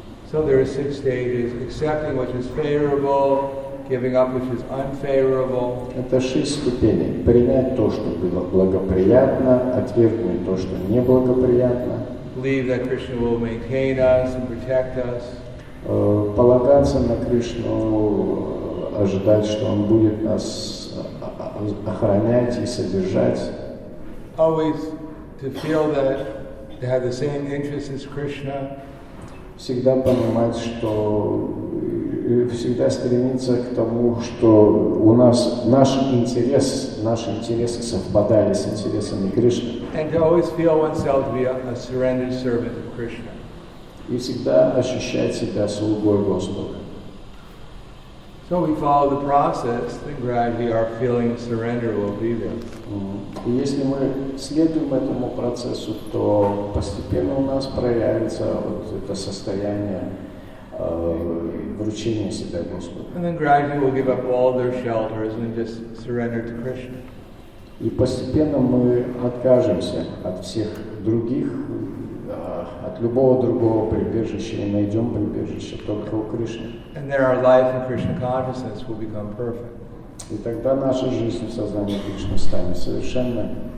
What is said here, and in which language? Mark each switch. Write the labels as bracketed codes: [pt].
[en] So there are six stages: accepting which is favorable, giving up which is unfavorable. [ru] Это шесть ступеней: принять то, что было благоприятно, отвергнуть то, что неблагоприятно. [en] Believe that Krishna will maintain us and protect us. [ru] Полагаться на Кришну, ожидать, что Он будет нас охранять и содержать. [en] Always to feel that to have the same interest as Krishna. [ru] Всегда понимать, что всегда стремиться к тому, что у нас наши интересы совпадали с интересами Кришны. [en] And to always feel oneself to be a surrendered servant of Krishna. [ru] И всегда ощущать себя слугой Господа. [en] So we follow the process, then gradually our feeling of surrender will be there. [ru] И если мы следуем этому процессу, то постепенно у нас проявится вот это состояние вручения себя Господу. [en] And then gradually we'll give up all their shelters and just surrender to Krishna. [ru] И постепенно мы откажемся от всех других, от любого другого прибежища и найдем прибежище только у Кришны. [en] And there our life in Krishna consciousness will become perfect. [ru] И тогда наша жизнь в сознании Кришны станет совершенной.